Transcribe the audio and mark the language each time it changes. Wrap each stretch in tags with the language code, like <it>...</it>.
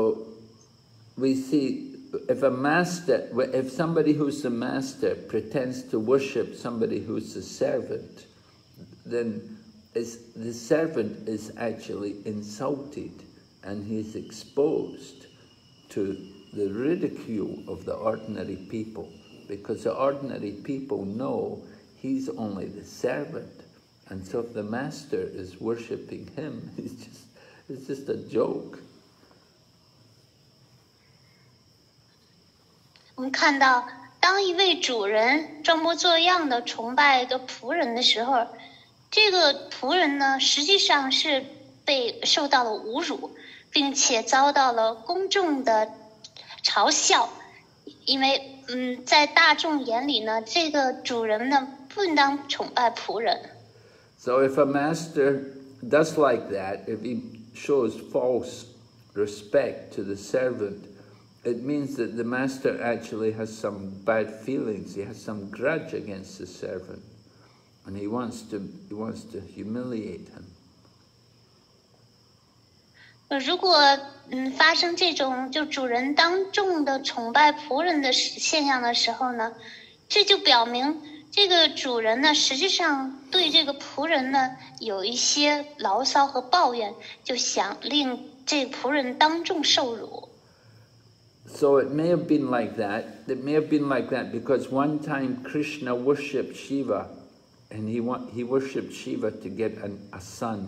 <zh>就偷走了乌舍的时候，这时候他们俩之间就展开了战争。</zh> <en>So, we see if a master, if somebody who's a master pretends to worship somebody who's a servant, then the servant is actually insulted and he's exposed to the ridicule of the ordinary people, because the ordinary people know he's only the servant, and so if the master is worshipping him, it's just a joke.</en> <zh>我们看到，当一位主人装模作样的崇拜一个仆人的时候，这个仆人呢，实际上是被受到了侮辱，并且遭到了公众的 嘲笑，因为在大众眼里呢，这个主人呢不应当崇拜仆人。</zh> <en>So if a master does like that, if he shows false respect to the servant, it means that the master actually has some bad feelings. He has some grudge against the servant, and he wants to humiliate him.</en> <zh>如果发生这种就主人当众的崇拜仆人的现象的时候呢，这就表明这个主人呢实际上对这个仆人呢有一些牢骚和抱怨，就想令这仆人当众受辱。So</zh> <en>it may have been like that. It may have been like that because one time Krishna worshipped Shiva, and he worshipped Shiva to get a son.</en>